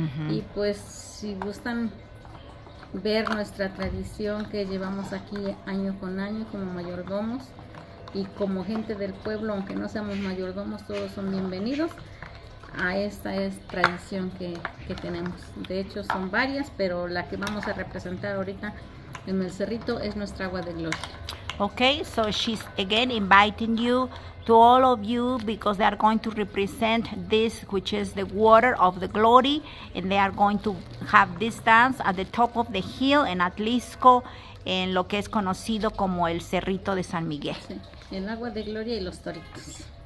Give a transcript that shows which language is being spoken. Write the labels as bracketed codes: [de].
[es] Y pues si gustan ver nuestra tradición que llevamos aquí año con año como mayordomos y como gente del pueblo, aunque no seamos mayordomos, todos son bienvenidos. A esta es tradición que tenemos. De hecho, son varias, pero la que vamos a representar ahorita en el cerrito es nuestra agua de gloria. [en] Okay, so she's again inviting you to all of you because they are going to represent this, which is the water of the glory, and they are going to have this dance at the top of the hill in Atlixco, [es] en lo que es conocido como el Cerrito de San Miguel. Sí, el agua de gloria y los toritos.